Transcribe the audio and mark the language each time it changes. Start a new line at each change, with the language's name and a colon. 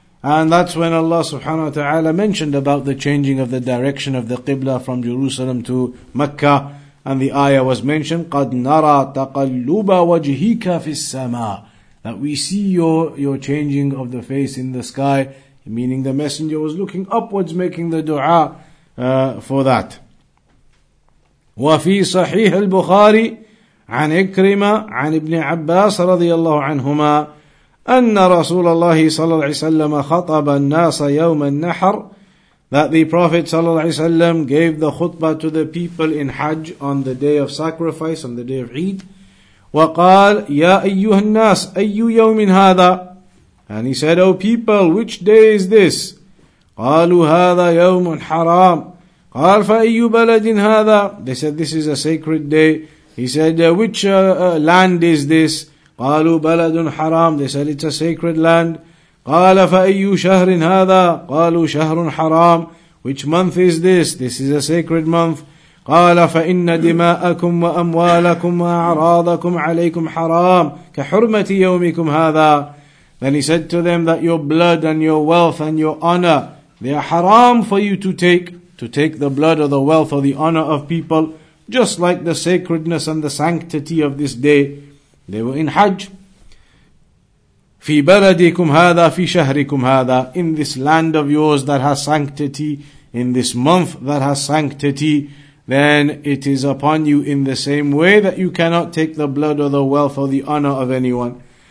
English: And that's when Allah subhanahu wa ta'ala mentioned about the changing of the direction of the Qibla from Jerusalem to Mecca. And the ayah was mentioned,
Arabic: قَدْ نَرَى تَقَلُّبَ وَجْهِكَ فِي السَّمَاءِ.
English: That we see your changing of the face in the sky, meaning the messenger was looking upwards, making the dua for that.
Arabic: وفي صحيح البخاري عن إكرمة عن ابن عباس رضي الله عنهما أن رسول الله صلى الله عليه وسلم خطب الناس يوم النحر.
English: That the Prophet صلى الله عليه وسلم gave the khutbah to the people in Hajj on the day of sacrifice, on the day of Eid.
Arabic: وقال يا أيها الناس أي يوم هذا.
English: And he said, O people, which day is this?
Arabic: قالوا هذا يوم حرام. قال فأي بلد هذا.
English: They said, this is a sacred day. He said, which land is this?
Arabic: قالوا بلد حرام.
English: They said, it's a sacred land.
Arabic: قال فأي شهر هذا. قالوا شهر حرام.
English: Which month is this? This is a sacred month.
Arabic: قال فإن دماءكم وأموالكم وأعراضكم عليكم حرام كحرمة يومكم هذا.
English: Then he said to them that your blood and your wealth and your honor, they are haram for you to take. To take the blood or the wealth or the honor of people, just like the sacredness and the sanctity of this day. They were in Hajj.
Arabic: في بلدكم هذا في شهركم هذا,
English: in this land of yours that has sanctity, in this month that has sanctity, then it is upon you in the same way that you cannot take the blood or the wealth or the honor of anyone.